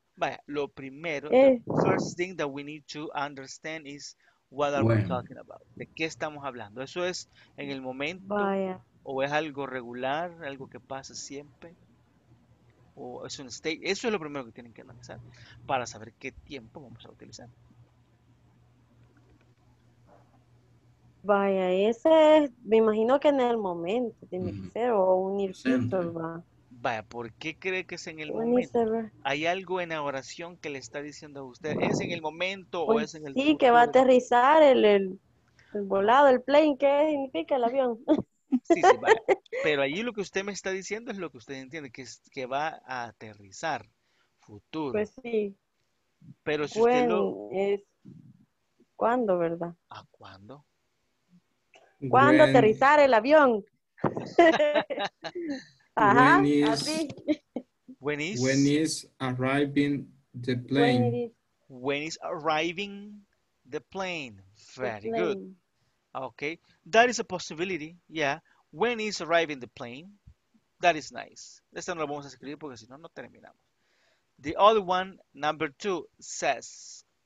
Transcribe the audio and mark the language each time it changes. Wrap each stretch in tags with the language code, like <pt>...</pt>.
<es>Vaya, lo primero,</es> <en>the first thing that we need to understand is what are we talking about?</en> <es>¿De qué estamos hablando? ¿Eso es en el momento? Vaya. ¿O es algo regular, algo que pasa siempre? ¿O es un state? Eso es lo primero que tienen que analizar para saber qué tiempo vamos a utilizar. Vaya, ese es, me imagino que en el momento tiene que ser, o unir filtros, va. Vaya, ¿por qué cree que es en el momento? ¿Hay algo en la oración que le está diciendo a usted? ¿Es en el momento o es en el futuro? Sí, que va a aterrizar el volado, el plane, ¿qué significa el avión? Sí, sí, vaya. Pero allí lo que usted me está diciendo es lo que usted entiende, que es que va a aterrizar futuro. Pues sí. Pero si usted lo... Es... ¿Cuándo, verdad? ¿A cuándo? ¿Cuándo aterrizar el avión? Ajá,</es> <en>when is arriving the plane? When is arriving the plane? Very good. Okay, that is a possibility. Yeah, when is arriving the plane? That is nice.</en> <es>Esta no la vamos a escribir porque si no, no terminamos.</es> <en>The other one, number two, says...</en>